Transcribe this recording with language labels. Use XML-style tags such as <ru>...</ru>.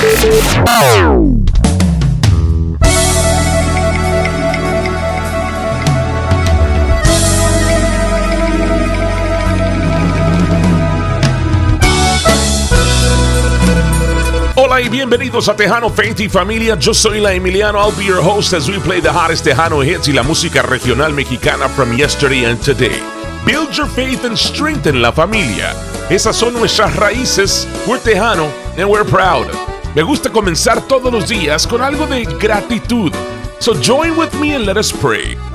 <es>Hola y bienvenidos a Tejano, Fey y Familia. Yo soy la Emiliano.</es> <en>I'll be your host as we play the hottest Tejano hits</en> <es>y la música regional mexicana</es> <en>from yesterday and today. Build your faith and strengthen la familia.</en> <es>Esas son nuestras raíces.</es> <en>We're Tejano and we're proud.</en> <es>Me gusta comenzar todos los días con algo de gratitud.</es> <en>So join with me and let us pray.</en>